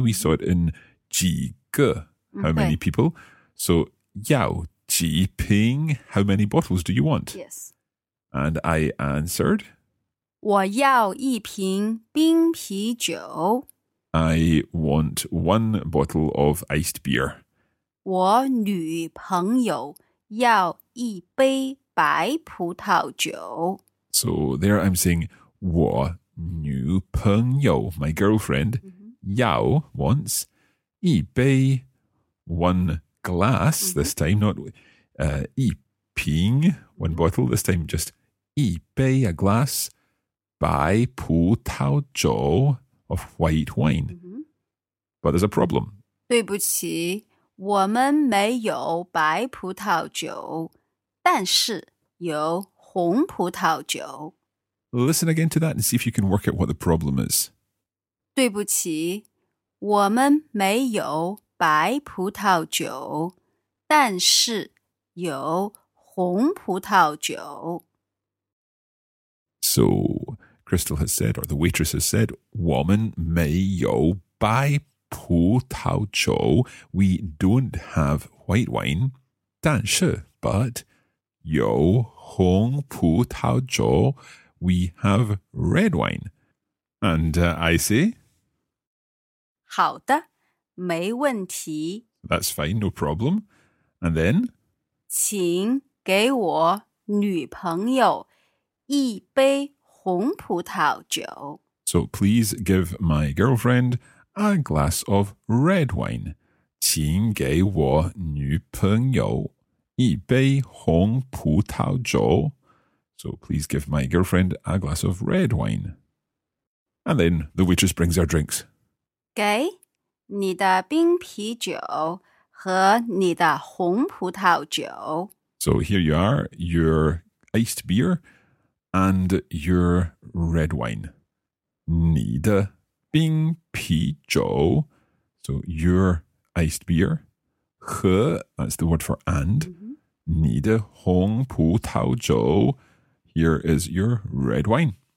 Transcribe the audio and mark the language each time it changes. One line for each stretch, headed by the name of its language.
English: We saw it in 几个, how many people. So
Chinese: 要几瓶,
English: how many bottles do you want? Yes. And I answered,
Chinese: 我要一瓶冰啤酒。
English: I want one bottle of iced beer.
Chinese: 我女朋友要一杯白葡萄酒。
English: So there I'm saying,
Chinese: 我女朋友,
English: my girlfriend, 要, wants, 一杯, one glass, this time, not 一瓶, one bottle, this time just 一杯, a glass,
Chinese: 白葡萄酒,
English: of white wine. But there's a problem.
Chinese: 对不起,我们没有白葡萄酒,但是有红葡萄酒。
English: Listen again to that and see if you can work out what the problem is.
Chinese: 对不起,我们没有白葡萄酒,但是有红葡萄酒。
English: So, Crystal has said, or the waitress has said,
Chinese: 我们没有白葡萄酒,
English: we don't have white wine, 但是, but,
Chinese: 有红葡萄酒,
English: we have red wine. And I say,
Chinese: 好的,没问题。
English: That's fine, no problem. And then,
Chinese: 请给我女朋友一杯红葡萄酒。
English: So please give my girlfriend a glass of red wine.
Chinese: 请给我女朋友一杯红葡萄酒。
English: So please give my girlfriend a glass of red wine. And then the waitress brings our drinks.
Chinese: 给你的冰啤酒和你的红葡萄酒。
English: So here you are, your iced beer and your red wine.
Chinese: 你的冰啤酒,
English: so your iced beer, 和, that's the word for and,
Chinese: 你的红葡萄酒,
English: here is your red wine.